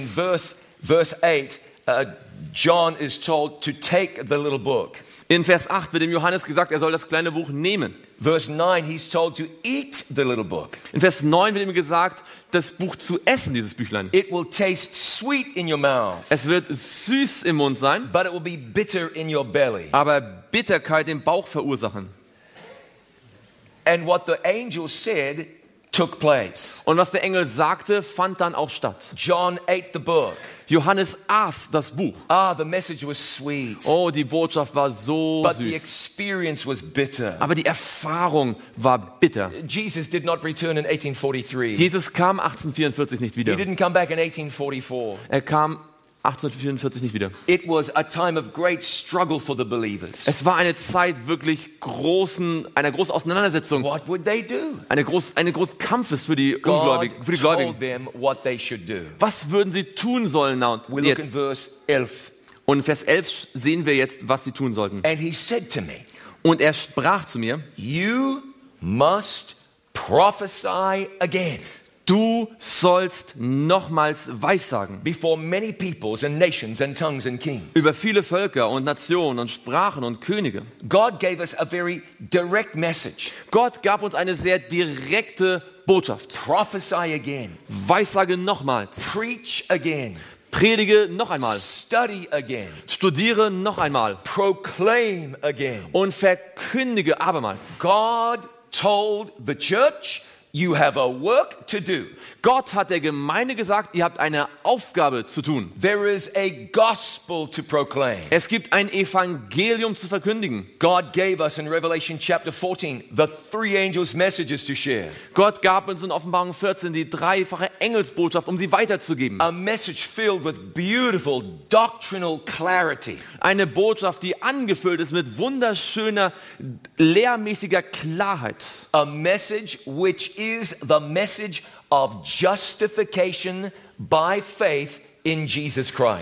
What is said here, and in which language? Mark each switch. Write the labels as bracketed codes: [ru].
[en] In verse 8, John is told to take the little book. [de] In Vers 8 wird dem Johannes gesagt, er soll das kleine Buch nehmen. [en] Verse 9, he's told to eat the little book. [de] In Vers 9 wird ihm gesagt, das Buch zu essen, dieses Büchlein. [en] It will taste sweet in your mouth. [de] Es wird süß im Mund sein. [en] But it will be bitter in your belly. [de] Aber Bitterkeit im Bauch verursachen. [en] And what the angel said took place. [de] Und was der Engel sagte, fand dann auch statt. [en] John ate the book. [de] Johannes aß das Buch. [en] Ah, the message was sweet. [de] Oh, die Botschaft war so [en] but [de] süß. [en] But the experience was bitter. [de] Aber die Erfahrung war bitter. [en] Jesus did not return in 1843. [de] Jesus kam 1844 nicht wieder. [en] He didn't come back in 1844. [de] Er kam 1844 nicht wieder. [en] It was a time of great struggle for the believers. [de] Es war eine Zeit wirklich einer großen Auseinandersetzung. [en] What would they do? [de] Eine große Kampfes für die Ungläubigen, für die Gläubigen. [en] God told them what they should do. [de] Was würden sie tun sollen [en] now? We look in verse 11. [de] Und in Vers 11 sehen wir jetzt, was sie tun sollten. [en] And he said to me. [de] Und er sprach zu mir. [en] You must prophesy again. [de] Du sollst nochmals weissagen. [en] Before many peoples and nations and tongues and kings. [de] Über viele Völker und Nationen und Sprachen und Könige. [en] God gave us a very direct message. [de] Gott gab uns eine sehr direkte Botschaft. [en] Prophesy again. [de] Weissage nochmals. [en] Preach again. [de] Predige noch einmal. [en] Study again. [de] Studiere noch einmal. [en] Proclaim again. [de] Und verkündige abermals. [en] God told the church, you have a work to do. [de] Gott hat der Gemeinde gesagt, ihr habt eine Aufgabe zu tun. [en] There is a gospel to proclaim. [de] Es gibt ein Evangelium zu verkündigen. [en] God gave us in Revelation chapter 14 the three angels' messages to share. [de] Gott gab uns in Offenbarung 14 die dreifache Engelsbotschaft, um sie weiterzugeben. [en] A message filled with beautiful doctrinal clarity. [de] Eine Botschaft, die angefüllt ist mit wunderschöner lehrmäßiger Klarheit. [en] A message which is the message of justification by faith in Jesus Christ.